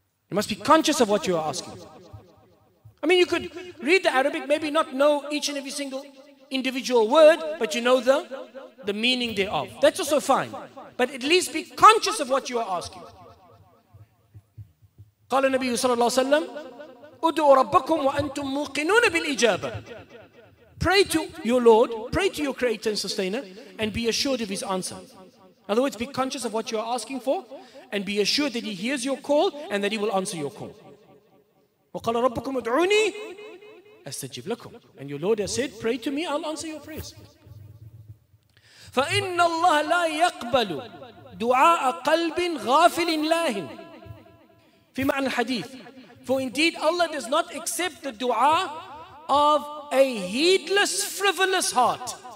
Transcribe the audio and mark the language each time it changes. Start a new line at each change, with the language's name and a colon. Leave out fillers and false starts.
English: You must be conscious of what you are asking. I mean, you could read the Arabic, maybe not know each and every single individual word, but you know the meaning thereof. That's also fine. But at least be conscious of what you are asking.
Arabic: قال النبي صلى الله عليه وسلم ادعوا ربكم وأنتم موقنون بالإجابة.
English: Pray to your Lord, pray to your Creator and Sustainer, and be assured of His answer. In other words, be conscious of what you are asking for, and be assured that He hears your call and that He will answer your call.
Arabic: وقال ربكم ادعوني أستجب لكم.
English: And your Lord has said, pray to me, I'll answer your prayers.
Arabic: فَإِنَّ اللَّهَ لَا يَقْبَلُ دُعَاءَ قَلْبٍ غَافِلٍ لَاهٍ فِي مَعْنَ الْحَدِيثِ.
English: For indeed Allah does not accept the dua of a heedless, frivolous heart.